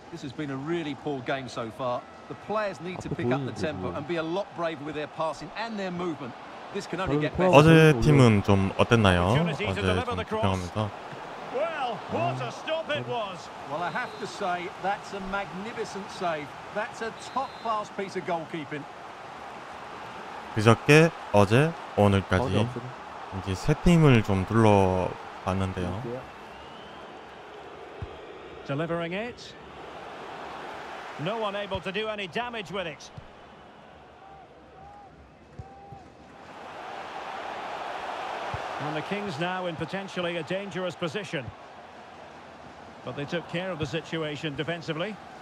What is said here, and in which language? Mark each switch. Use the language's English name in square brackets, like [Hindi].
[English] This has been a really poor game so far. The players need to pick up the tempo and be a lot braver with their passing and their movement. This can only get better. [Korean] 어제 팀은 좀 어땠나요? 어제 좀 불평합니다. [English] Well, what a stop it was. Well, I have to say that's a magnificent save. That's a top-class piece of goalkeeping. [Korean] 그저께 어제 오늘까지 이제 세 팀을 좀 둘러 봤는데요. [English] Delivering it. No one able to do any damage with it. And the Kings now in potentially a dangerous position. But they took care of the situation defensively.